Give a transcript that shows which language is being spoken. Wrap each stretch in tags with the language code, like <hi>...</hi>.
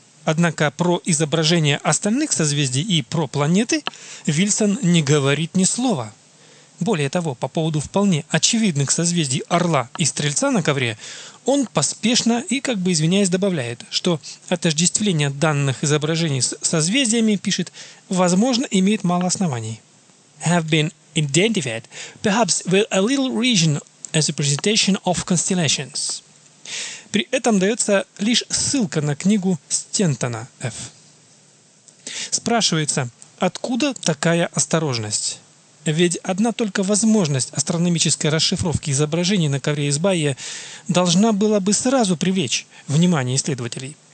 <ru>Однако про изображение остальных созвездий и про планеты Вильсон не говорит ни слова. Более того, по поводу вполне очевидных созвездий Орла и Стрельца на ковре, он поспешно и, как бы извиняясь, добавляет, что отождествление данных изображений с созвездиями, пишет, возможно, имеет мало оснований.</ru> <en>Have been identified, perhaps with a little reason as a presentation of constellations.</en> <ru>При этом дается лишь ссылка на книгу Стентона Ф. Спрашивается, откуда такая осторожность? Ведь одна только возможность астрономической расшифровки изображений на ковре из Байе должна была бы сразу привлечь внимание исследователей.</ru>